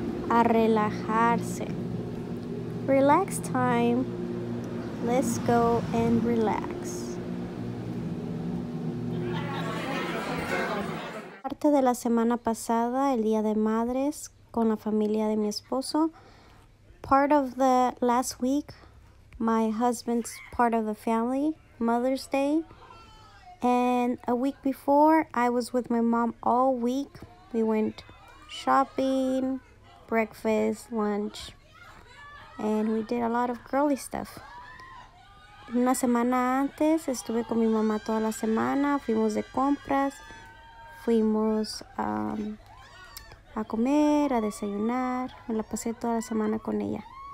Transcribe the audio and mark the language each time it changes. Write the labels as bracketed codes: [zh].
[es] A relajarse. [en] Relax time. Let's go and relax. [es] Parte de la semana pasada, el Día de Madres, con la familia de mi esposo. [en] Part of the last week, my husband's part of the family, Mother's Day. And a week before, I was with my mom all week. We went shopping, breakfast, lunch. And we did a lot of girly stuff. [es] Una semana antes, estuve con mi mamá toda la semana. Fuimos de compras. Fuimos a comer, a desayunar. Me la pasé toda la semana con ella.